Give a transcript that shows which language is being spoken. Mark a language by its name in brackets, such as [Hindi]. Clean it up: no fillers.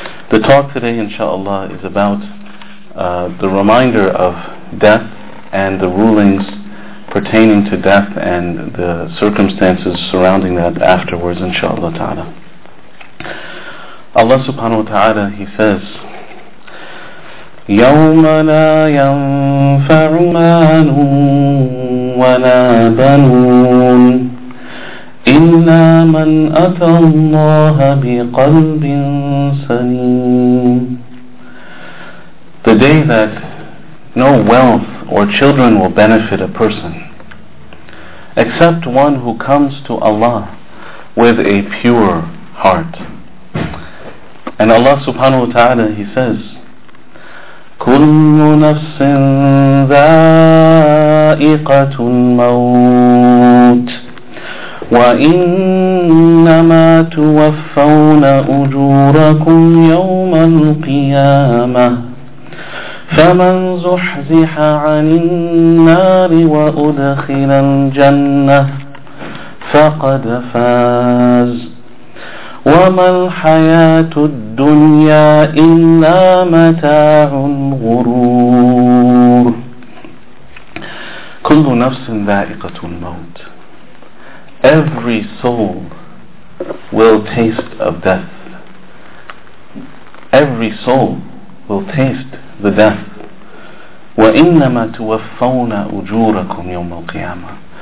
[English] The talk today inshallah is about the reminder of death and the rulings pertaining to death and the circumstances surrounding that afterwards, inshallah ta'ala. Allah subhanahu wa ta'ala, He says, [Arabic] يَوْمَ لَا يَنْفَعُ مَالٌ وَلَا بَنُونَ إِلَّا مَنْ أَتَى اللَّهَ بِقَلْبٍ سَلِيمٍ. [English] The day that no wealth or children will benefit a person, except one who comes to Allah with a pure heart. And Allah subhanahu wa ta'ala, He says, [Arabic] كُلُّ نَفْسٍ ذَائِقَةُ الْمَوْتِ وَإِنَّمَا تُوَفَّوْنَ أُجُورَكُمْ يَوْمَ الْقِيَامَةِ فَمَنْ زُحْزِحَ عَنِ النَّارِ وَأُدْخِلَ الْجَنَّةِ فَقَدْ فَازَ وَمَا الْحَيَاةُ الدُّنْيَا إِلَّا مَتَاعُ الْغُرُورِ. كُلُّ نَفْسٍ ذَائِقَةُ الْمَوْتِ. [English] Every soul will taste of death. Every soul will taste the death. [Arabic] وَإِنَّمَا تُوَفَّوْنَ أُجُورَكُمْ يَوْمَ الْقِيَامَةِ.